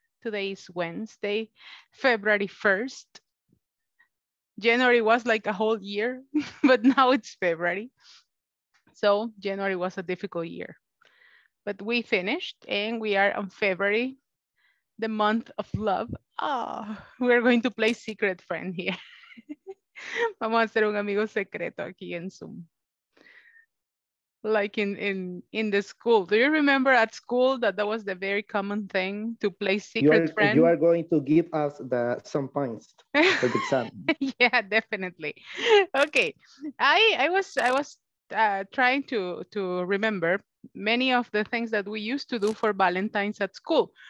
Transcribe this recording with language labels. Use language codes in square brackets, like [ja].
[en] Today is Wednesday, February 1st. January was like a whole year, but now it's February. So January was a difficult year. But we finished and we are on February the month of love. Oh, we're going to play secret friend here. [es] Vamos a hacer un amigo secreto aquí en Zoom. [en] Like in the school. Do you remember at school that was the very common thing to play secret friend? You are going to give us some points for the exam. Yeah, definitely. Okay. I was trying to remember many of the things that we used to do for Valentine's at school.